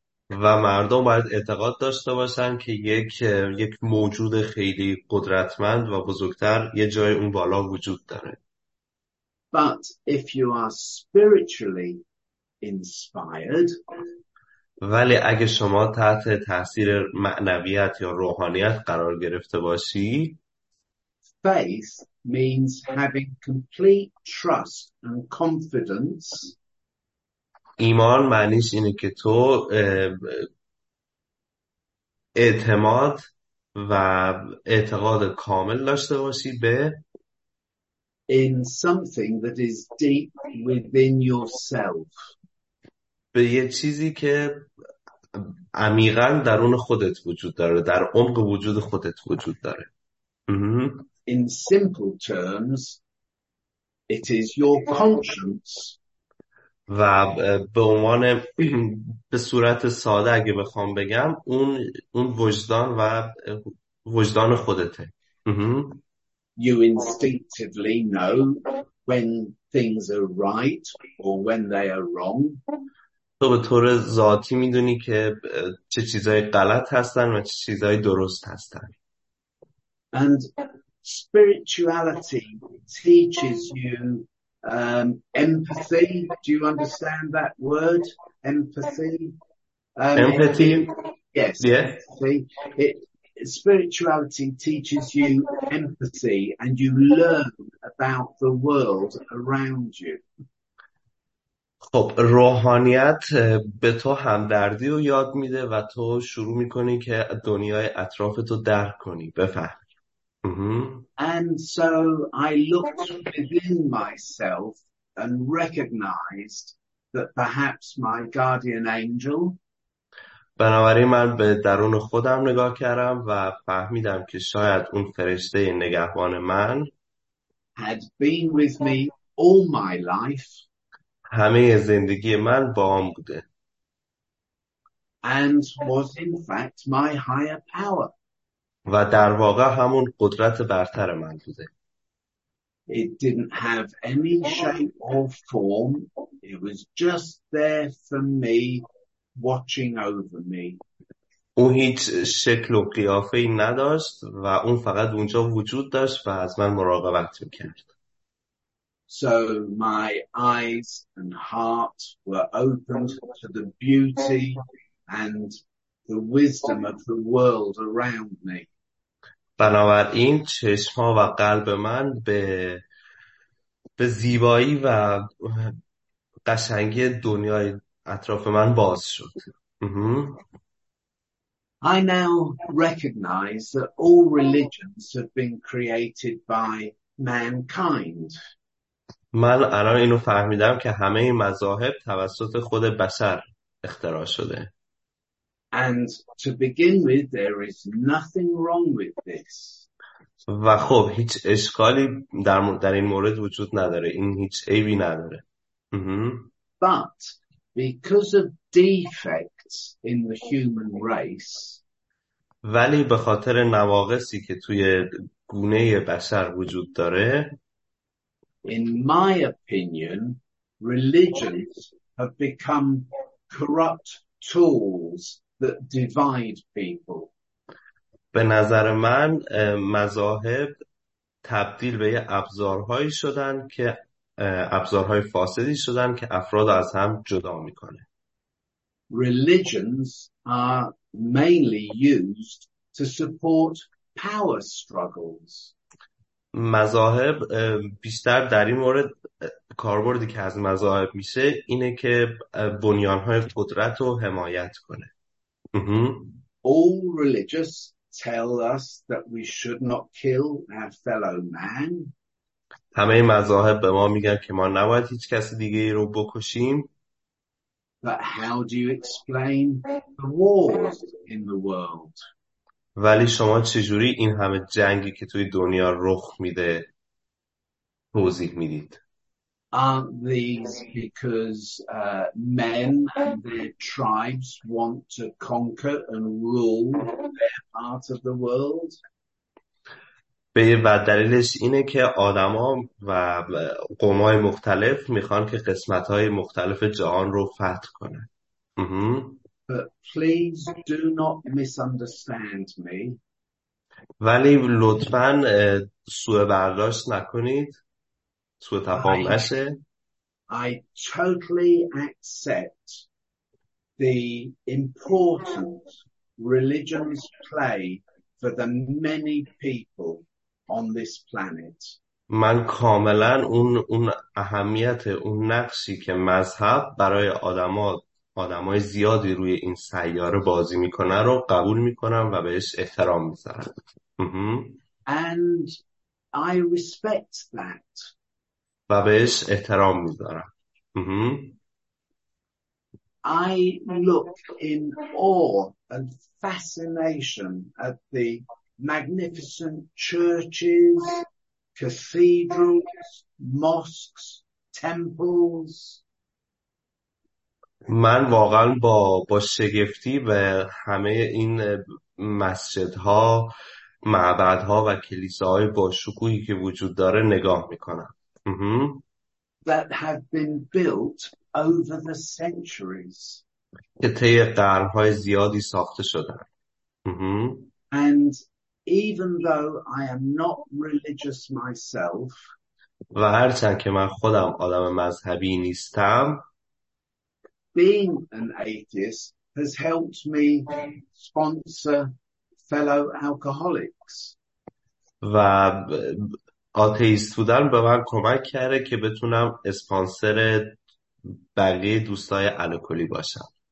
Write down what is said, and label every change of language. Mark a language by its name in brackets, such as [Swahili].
[Persian] و مردم باید اعتقاد داشته باشن که یک موجود خیلی قدرتمند و بزرگتر یه جای اون بالا وجود داره. [English] But if you are spiritually inspired, [Persian] ولی اگه شما تحت تاثیر معنویت یا روحانیت قرار گرفته باشی، [English] faith means having complete trust and confidence. [Persian] ایمان معنیش اینه که تو اعتماد و اعتقاد کامل داشته باشی به [English] in something that is deep within yourself. [Persian] به یه چیزی که عمیقا درون خودت وجود داره، در عمق وجود خودت وجود داره. [English] In simple terms, it is your conscience. [Persian] و به عنوان به صورت ساده اگه بخوام بگم، اون وجدان و وجدان خودته. [English] You instinctively know when things are right or when they are wrong. [Persian] تو به طور ذاتی میدونی که چه چیزای غلط هستن و چه چیزای درست هستن. [English] And spirituality teaches you empathy. Do you understand that word, empathy? Empathy? Yes. Yeah. Spirituality teaches you empathy and you learn about the world around you. [Persian] خب روحانیت به تو همدردی رو یاد میده و تو شروع میکنی که دنیای اطراف تو درک کنی، بفهمی. [English] And so I looked within myself and recognized that perhaps my guardian angel. [Persian] بنابراین من به درون خودم نگاه کردم و فهمیدم که شاید اون فرشته نگهبان من [English] had been with me all my life. [Persian] همه زندگی من با هم بوده [English] And was in fact my higher power. [Persian] و در واقع همون قدرت برتر من بوده. [English] It didn't have any shape or form. It was just there for me, watching over me. [Persian] اون هیچ شکل و قیافه ای نداشت و اون فقط اونجا وجود داشت و از من مراقبت میکرد. [English] So my eyes and heart were opened to the beauty and the wisdom of the world around me. [Persian] بنابراین چشم ها و قلب من به زیبایی و قشنگی دنیای اطراف من باز شد. [English] I now recognize that all religions have been created by mankind. [Persian] من الان اینو فهمیدم که همه مذاهب توسط خود بشر اختراع شده. [English] And to begin with, there is nothing wrong with this. [Persian] و خب هیچ اشکالی در این مورد وجود نداره. این هیچ عیبی نداره. [English] But because of defects in the human race, [Persian] ولی به خاطر نواقصی که توی گونه بشر وجود داره، [English] in my opinion, religions have become corrupt tools that divide people. [Persian] به نظر من مذاهب تبدیل به ابزارهایی شدن که ابزارهای فاسدی شدن که افراد از هم جدا میکنه. [English] Religions are mainly used to support power struggles. [Persian] مذاهب بیشتر در این مورد کاربردی که از مذاهب میشه اینه که بنیانهای قدرت رو حمایت کنه. [English] All religious tell us that we should not kill our fellow man. [Persian] همه مذاهب به ما میگن که ما نباید هیچ کس دیگه ای رو بکشیم. [English] But how do you explain the wars in the world? [Persian] ولی شما چجوری این همه جنگی که توی دنیا رخ میده توضیح میدید؟ [English] aren't these because men and their tribes want to conquer and rule their part of the world? [Persian] و دلیلش اینه که آدم ها و قومای مختلف میخوان که قسمت های مختلف جهان رو فتح کنن. [English] But please do not misunderstand me. [Persian] ولی لطفاً سوء برداشت نکنید. سوء تفاهم نشه. [English] I totally accept the important religions play for the many people on this planet. [Persian] من کاملا اون اهمیت اون نقشی که مذهب برای آدمای زیادی روی این سیاره بازی میکنه رو قبول میکنم و بهش احترام میذارم. [English] And I respect that. [Persian] و بهش احترام میذارم. [English] I look in awe and fascination at the magnificent churches, cathedrals, mosques, temples. [Persian] من واقعا با شگفتی به همه این مسجدها، معبدها و کلیساهای با شکوهی که وجود داره نگاه میکنم. [English] That have been built over the centuries. [Persian] که طی قرن‌های زیادی ساخته شدن. [English] And even though I am not religious myself, [Persian] و هرچند که من خودم آدم مذهبی نیستم، [English] being an atheist has helped me sponsor fellow alcoholics. [Persian] و آتیست بودن به من کمک کرده که بتونم اسپانسر بقیه دوستای الکلی باشم.